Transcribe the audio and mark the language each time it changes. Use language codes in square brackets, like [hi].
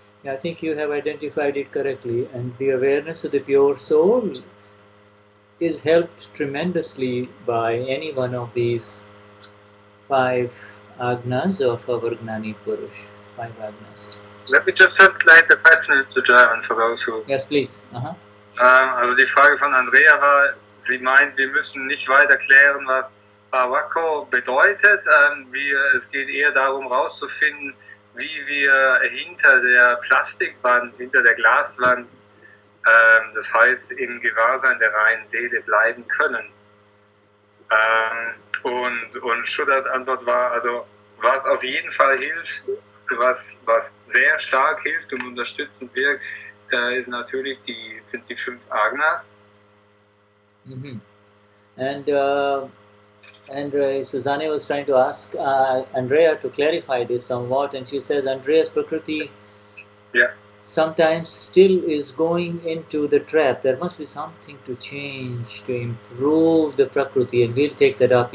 [en] Yeah, I think you have identified it correctly. And the awareness of the pure soul is helped tremendously by any one of these five agnas of our Gnani Purush. Five agnas. Let me just translate the question into German for those who... Yes, please. [de] Also die Frage von Andrea war, sie meint, wir müssen nicht weiter klären, was Bawako bedeutet. Es geht eher darum, herauszufinden, wie wir hinter der Plastikwand, hinter der Glaswand, das heißt im Gewahrsein der reinen Seele bleiben können. Und Schudders Antwort war, also was auf jeden Fall hilft, was sehr stark hilft und unterstützend wirkt, ist natürlich die, sind die fünf Agna. Mhm. [en] And Susanne was trying to ask Andrea to clarify this somewhat, and she says Andrea's Prakriti sometimes still is going into the trap. There must be something to change to improve the Prakriti, and we'll take that up.